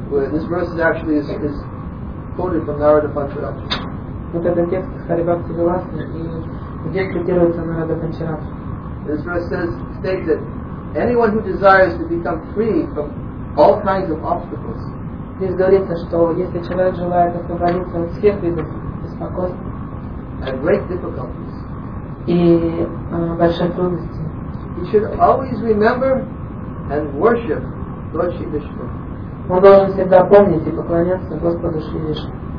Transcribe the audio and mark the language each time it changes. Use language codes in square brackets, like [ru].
[en] This verse actually is quoted from Narada Pancharatra. [ru] Вот этот текст из Харибхакти Вилас, и где цитируется Нарада Панчаратра. [en] This verse says, states that anyone who desires to become free from all kinds of obstacles. [ru] Здесь говорится, что если человек желает освободиться от всех видов беспокойств [en] and great difficulties, [ru] и большие трудности, [en] he should always remember and worship Lord Shri Vishnu. [ru] Он должен всегда помнить и поклоняться Господу Шри Вишну.